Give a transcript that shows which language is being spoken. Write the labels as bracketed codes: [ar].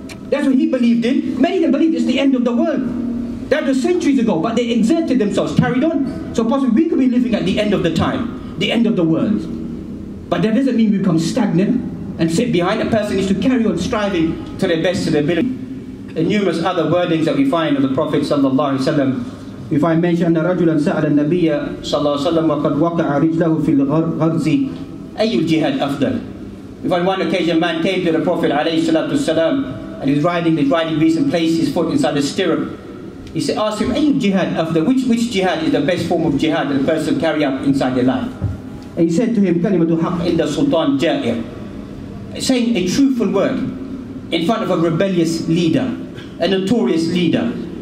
[en] That's what he believed in. Many of them believed it's the end of the world. That was centuries ago, but they exerted themselves, carried on. So possibly we could be living at the end of the time, the end of the world. But that doesn't mean we become stagnant and sit behind. A person needs to carry on striving to their best of their ability. And numerous other wordings that we find of the Prophet sallallahu alaihi wasallam. If I mention [ar] أن رجلا سأل النبي صلى الله عليه وسلم وقد وقع رجله في الغرز أي الجهاد أفضل. [en] If on one occasion a man came to the Prophet عليه الصلاة والسلام and he's riding beast and placed his foot inside the stirrup, he said, ask him [ar] أي الجهاد أفضل, [en] which jihad is the best form of jihad that a person carry out inside their life. And he said to him [ar] كلمة حق عند السلطان جائر, [en] saying a truthful word in front of a rebellious leader, a notorious leader.